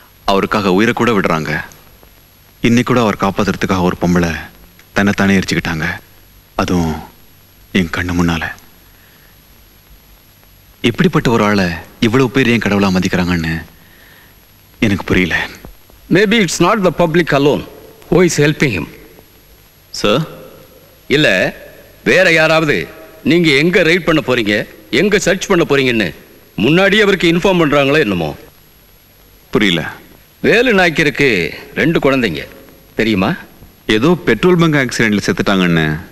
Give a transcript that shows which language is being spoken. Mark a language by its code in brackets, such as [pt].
[ta] அவருக்காக உயிரை கூட விடுறாங்க. இன்னைக்கு கூட அவர் காப்பாத்துறதுக்காக ஒரு பொம்பளை தன்னைத்தானே எரிச்சுக்கிட்டாங்க, அதுவும் என் கண்ணு முன்னால. இப்படிப்பட்ட ஒரு ஆளை இவ்வளவு பேர் ஏன் கடவுளா மதிக்கிறாங்கன்னு எனக்கு புரியல. [en] Maybe it's not the public alone who is helping him. Sir? [ta] இல்லை வேற யாராவது நீங்கள் எங்கே ரைட் பண்ண போகிறீங்க, எங்கே சர்ச் பண்ண போகிறீங்கன்னு முன்னாடியே அவருக்கு இன்ஃபார்ம் பண்ணுறாங்களோ என்னமோ. புரியல. வேலு நாயக்கருக்கு ரெண்டு குழந்தைங்க தெரியுமா? ஏதோ பெட்ரோல் பங்க் ஆக்சிடென்ட்ல செத்துட்டாங்கன்னு.